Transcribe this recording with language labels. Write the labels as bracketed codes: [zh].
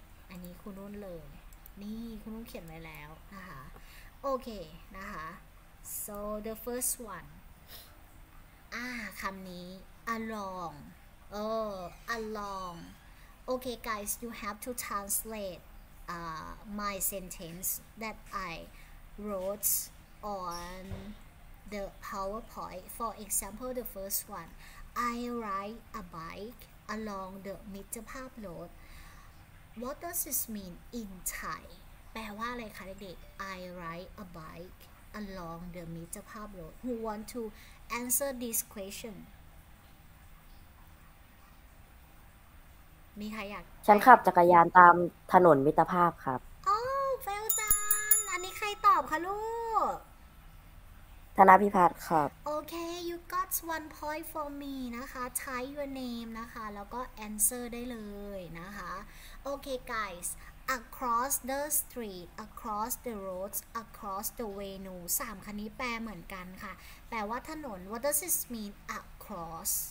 [th] อันนี้คุณนุ่นเลยนี่คุณนุ่นเขียนไว้แล้วนะคะโอเคนะคะ [en] so the first one [th] คำนี้ [en] along alongโอเค guys you have to translate my sentence that I wrote on the PowerPoint for example the first one I ride a bike along the middle part road. What does this mean in Thai? [th] แปลว่าอะไรคะเด็กๆ [en] I ride a bike along the middle part road. Who want to answer this question? [th] มีใครอยาก ฉันขับจักรยานตามถนนมิตรภาพครับ โอ้เฟลจันอันนี้ใครตอบคะลูก ธนาพิพัฒน์ครับ โอเค you got one point for me นะคะ type your name นะคะ แล้วก็ answer ได้เลยนะคะโอเค guys across the street across the roads across the way no 3 คันนี้แปลเหมือนกันค่ะแปลว่าถนน what does this mean across